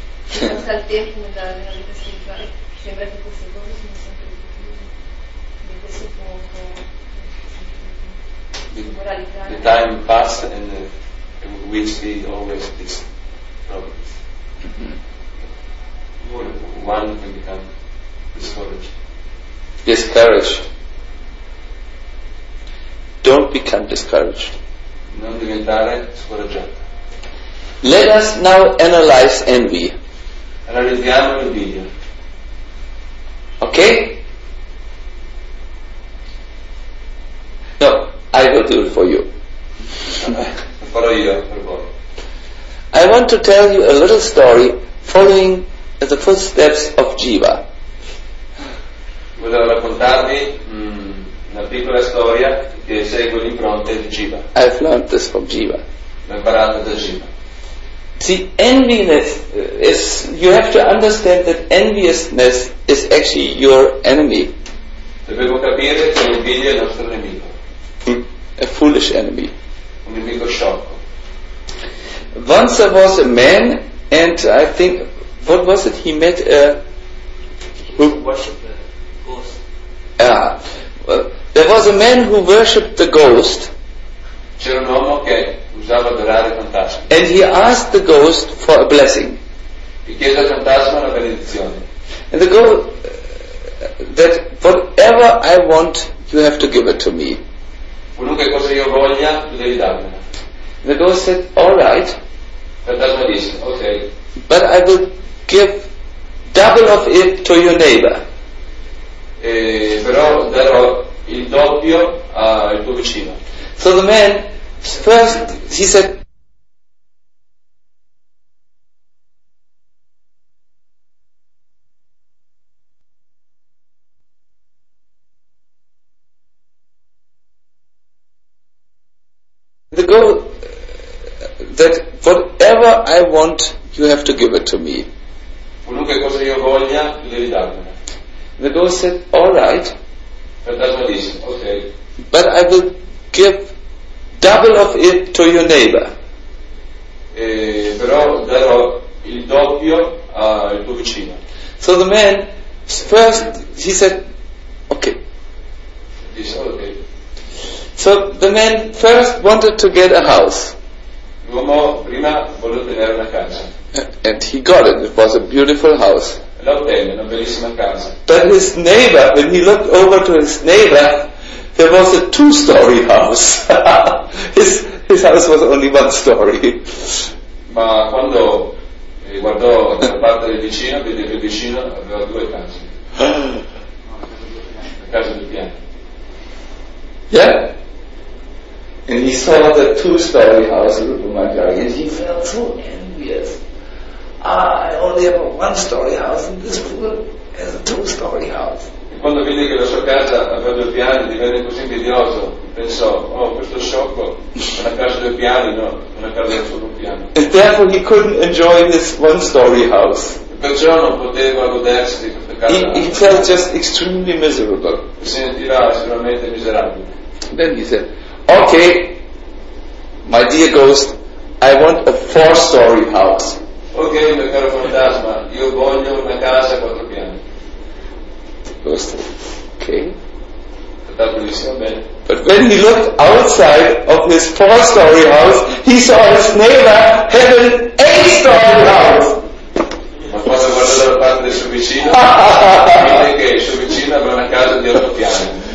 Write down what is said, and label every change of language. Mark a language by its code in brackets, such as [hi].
[en] The time passes and we see always this problem. Mm-hmm. One can become discouraged. Discouraged. Don't become discouraged. [it] Non diventare scoraggiato. [en] Let us now analyze envy. [it] Analizziamo l'invidia. [en] Okay? No, I will do it for you. [it] Farò io per voi. [en] I want to tell you a little story following the footsteps of Jiva. [it] Volevo raccontarvi una piccola storia che segue l'impronta di Jiva. [en] I've learned this from Jiva. [it] L'ho imparato da Jiva. [en] See, enviousness is, you have to understand that enviousness is actually your enemy. [it] Dobbiamo capire che l'invidia è il nostro nemico. [en] A foolish enemy. [it] Un nemico sciocco. [en] Once there was a man, and I think, what was it? He met a... who worshipped the ghost. There was a man who worshipped the ghost. [it] C'era un uomo che... [en] and he asked the ghost for a blessing. And the ghost that whatever I want, you have to give it to me. The ghost said, all right. But I will give double of it to your neighbor. [it] Però darò il doppio al tuo vicino. [en] So the man first, he said, the girl, that whatever I want, you have to give it to me. [it] Qualunque cosa io voglia, tu devi darmela. [en] The girl said, all right. Okay. But I will give double of it to your neighbor. [it] Però darò il doppio al tuo vicino. [en] So the man first, he said, okay. This, okay. So the man first wanted to get a house. [it] L'uomo prima voleva tenere una casa. [en] And he got it. It was a beautiful house. [it] La ottenne, una bellissima casa. [en] But his neighbor, when he looked over to his neighbor, there was a two-story house. His house was only one story. [it] Ma quando guardò la parte del vicino, vede che il vicino aveva due case. La casa di piano. [en] Yeah? And he saw the two-story house, and he felt so envious. I only have a one-story house, and this fool has a two-story house. [it] Quando vide che la sua casa aveva due piani, divenne così invidioso, pensò, oh, questo sciocco, una casa due piani, no, una casa solo un piano. [en] And therefore he couldn't enjoy this one-story house. [it] E perciò non poteva godersi di questa casa. [en] He felt just extremely miserable. [it] Si sentiva estremamente miserabile. [en] Then he said, okay, my dear ghost, I want a four-story house. [it] Ok, mio caro fantasma, io voglio una casa a quattro piani. [en] Okay. But when he looked outside of his four-story house, he saw his neighbor had an eight-story house. [it] casa dalla parte del suo vicino, vede che il suo vicino avrà una casa di 8 piani.